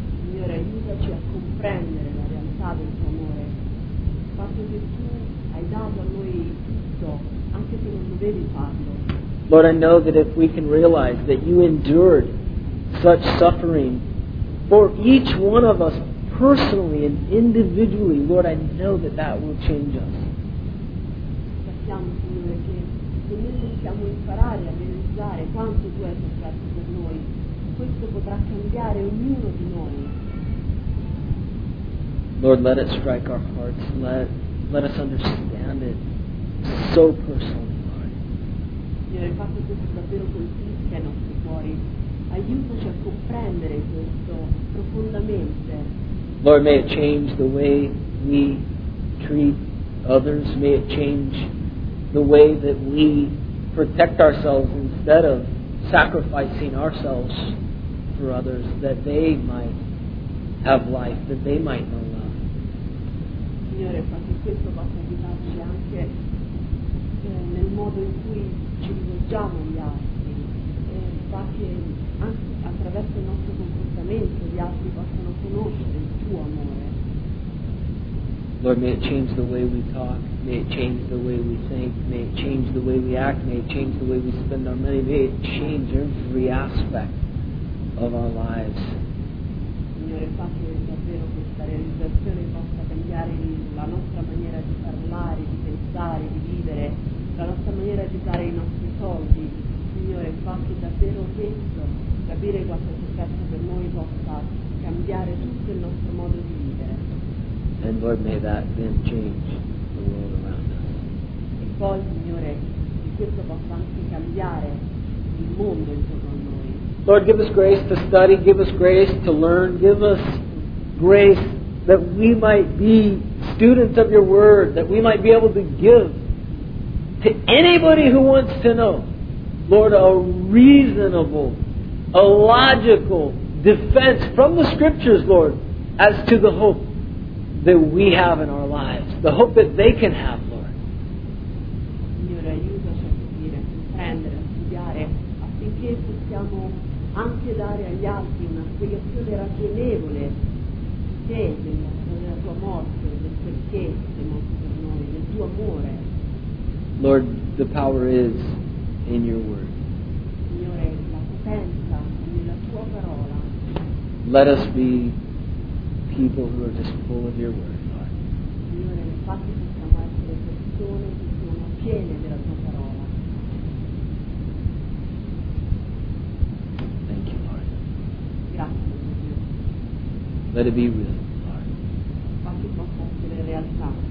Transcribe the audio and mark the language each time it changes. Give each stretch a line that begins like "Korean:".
Italian: Signore, aiutaci a comprendere la realtà del tuo amore. Il fatto che tu hai dato a noi tutto, anche se non dovevi farlo.
English: Lord, I know that if we can realize that you endured such suffering for each one of us personally and individually, Lord, I know that that will change us.
Italian: Sappiamo, Signore, che se noi possiamo imparare a realizzare quanto tu hai sofferto per noi, questo potrà cambiare ognuno di noi.
English: Lord, let it strike our hearts. Let us understand it so personally.
Italian: Signore, fa che questo davvero colpisca i nostri cuori. Aiutaci a comprendere questo profondamente.
English: Lord, may it change the way we treat others. May it change the way that we protect ourselves instead of sacrificing ourselves for others, that they might have life, that they might know love.
Italian: Signore, fa che questo possa aiutarci anche nel modo in cui ci rivolgiamo agli altri, e fa che anche attraverso il nostro comportamento gli altri possano conoscere il tuo amore.
English: Lord, may it change the way we talk, may it change the way we think, may it change the way we act, may it change the way we spend our money, may it change every aspect of our lives.
Italian: Signore, fa che davvero questa realizzazione possa cambiare la nostra maniera di parlare, di pensare, di vivere, la nostra maniera di dare i nostri soldi. Signore, fa che davvero questo, capire quanto è successo per noi, possa cambiare tutto il nostro modo di vivere.
English: And Lord, may that then change the world around us.
Italian: E poi, Signore, che questo possa anche cambiare il mondo intorno a noi.
English: Lord, give us grace to study, give us grace to learn, give us grace that we might be students of your word, that we might be able to give to anybody who wants to know, Lord, a reasonable, a logical defense from the scriptures, Lord, as to the hope that we have in our lives, the hope that they can have, Lord.
Italian: Signore, aiutaci a capire, a comprendere, a studiare, affinché possiamo anche dare agli altri una spiegazione ragionevole della tua morte, del perché sei morto per noi, del tuo amore.
English: Lord, the power is in your word.
Italian: Signore, la potenza è nella tua parola.
English: Let us be people who are just full of your word, Lord.
Italian: Signore, infatti possiamo essere persone che sono piene della tua parola.
English: Thank you, Lord.
Italian: Grazie, Signore.
English: Let it be real, Lord.
Italian: Infatti possa essere realtà.